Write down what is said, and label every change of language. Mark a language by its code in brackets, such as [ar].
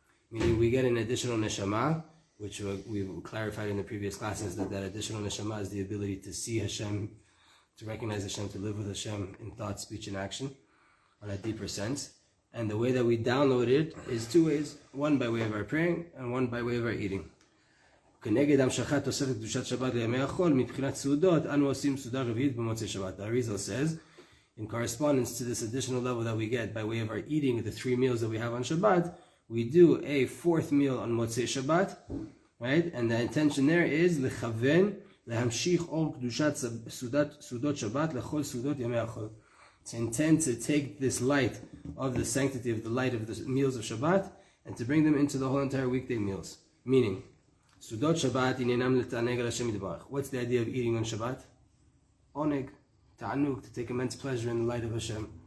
[en] Meaning we get an additional neshama, which we've clarified in the previous classes, that additional neshama is the ability to see Hashem, to recognize Hashem, to live with Hashem in thought, speech, and action on a deeper sense. And the way that we download it is two ways, one by way of our praying and one by way of our eating. [he] כנגד המשכת תוספת קדושת שבת לימי החול, מבחינת סעודות, אנו עושים סעודה רביעית במוצאי שבת. [en] The Arizal says, in correspondence to this additional level that we get by way of our eating the three meals that we have on Shabbat, we do a fourth meal on מוצאי שבת, right? And the intention there is [he] לכוון, להמשיך אור קדושת סעודות שבת לכל סעודות ימי החול. [en] To intend to take this light of the sanctity of the light of the meals of Shabbat and to bring them into the whole entire weekday meals. [he] Meaning, סעודות שבת עניינם לתענג על השם יתברך. [en] What's the idea of eating on Shabbat? עונג, תענוג, to take immense pleasure in the light of Hashem.